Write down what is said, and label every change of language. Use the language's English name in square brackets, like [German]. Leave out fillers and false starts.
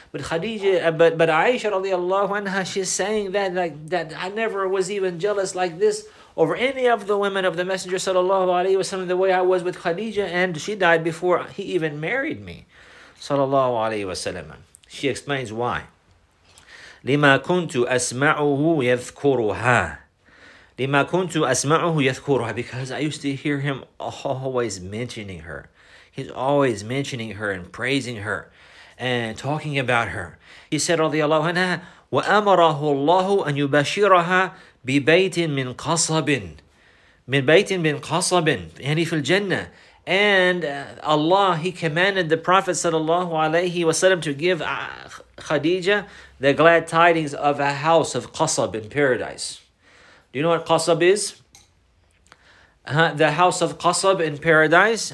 [English] But Khadija, but Aisha radiallahu anha, she's saying that that I never was even jealous like this over any of the women of the Messenger sallallahu alayhi wa sallam the way I was with Khadija, and she died before he even married me, sallallahu alayhi wa sallam. She explains why. [Arabic] لِمَا كُنْتُ أَسْمَعُهُ يَذْكُرُهَا لِمَا كُنْتُ أَسْمَعُهُ يَذْكُرُهَا. [English] Because I used to hear him always mentioning her. He's always mentioning her and praising her and talking about her. He said, radiallahu anha, [Arabic] وَأَمَرَهُ اللَّهُ أَنْ يُبَشِّرَهَا بِبَيْتٍ مِنْ قَصَبٍ مِنْ بَيْتٍ مِنْ قَصَبٍ يعني فِي الْجَنَّةِ. [English] And Allah, he commanded the Prophet sallallahu alayhi wa sallam to give Khadija the glad tidings of a house of qasab in paradise. Do you know what qasab is? The house of qasab in paradise.